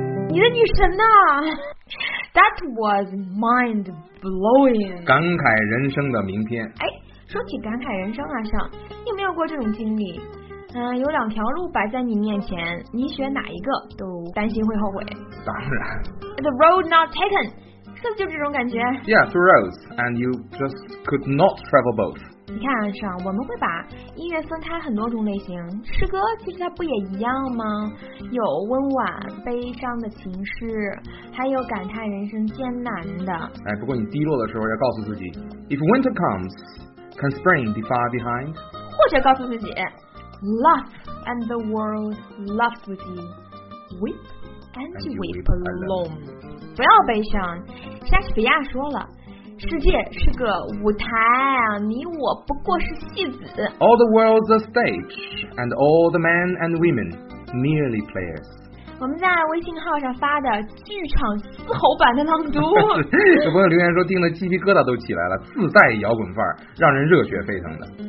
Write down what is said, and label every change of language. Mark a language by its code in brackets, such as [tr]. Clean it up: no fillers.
[zh] 你的女神呐 [en] ，That was mind blowing. [zh] 感慨人生的名篇。哎，说起感慨人生啊，上，你有没有过这种经历？有两条路摆在你面前，你选哪一个都担心会后悔。当然。 [en] The road not taken， [zh] 是不是就这种感觉 [en] ？Yeah, two roads, and you just could not travel both. [zh] 你看，是啊，我们会把音乐分开很多种类型，诗歌其实它不也一样吗？有温婉悲伤的情诗，还有感叹人生艰难的。哎，不过你低落的时候要告诉自己 [en] ，If winter comes, can spring be far behind？ [zh] 或者告诉自己。 [en] Laugh and the world laughs with you. Weep and you weep alone. [zh] 不要悲伤。莎士比亚说了，世界是个舞台啊，你我不过是戏子。 [en] All the world's a stage, and all the men and women merely players. [zh] 我们在微信号上发的剧场嘶吼版的朗读。有朋友留言说听得鸡皮疙瘩都起来了，自带摇滚范儿，让人热血沸腾的。